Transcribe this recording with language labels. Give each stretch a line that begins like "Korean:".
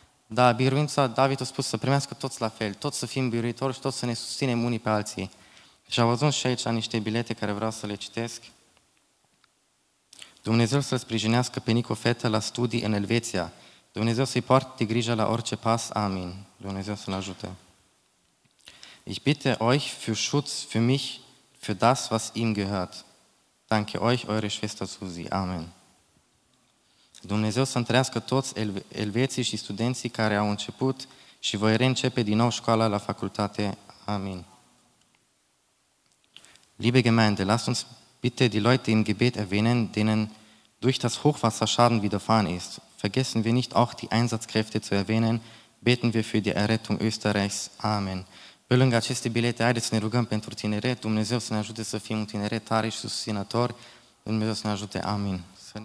Romanian: Dar biruința, David a spus să primească toți la fel, toți să fim biruitori și toți să ne susținem unii pe alții. Și am văzut și aici niște bilete care vreau să le citesc. Dumnezeu să-l sprijinească pe Nico fetă la studii în Elveția. Dumnezeu să-i poarte grijă la orice pas, amin. Dumnezeu să-l ajute.
German: Ich bitte euch für Schutz für mich, für das, was ihm gehört. Danke euch, eure Schwester Susi, amin.
Romanian: Dumnezeu să întărească toți elveții și studenții care au început și voi reîncepe din nou școala la facultate. Amin.
German: Liebe Gemeinde, lasst uns bitte die Leute im Gebet erwähnen, denen durch das Hochwasser Schaden widerfahren ist. Vergessen wir nicht auch die Einsatzkräfte zu erwähnen. Beten wir für die Errettung Österreichs. Amen.
Romanian: Pe lângă aceste bilete, haideți să ne rugăm pentru tineret. Dumnezeu să ne ajute să fim un tineret tare și susținător. Dumnezeu să ne ajute. Amin.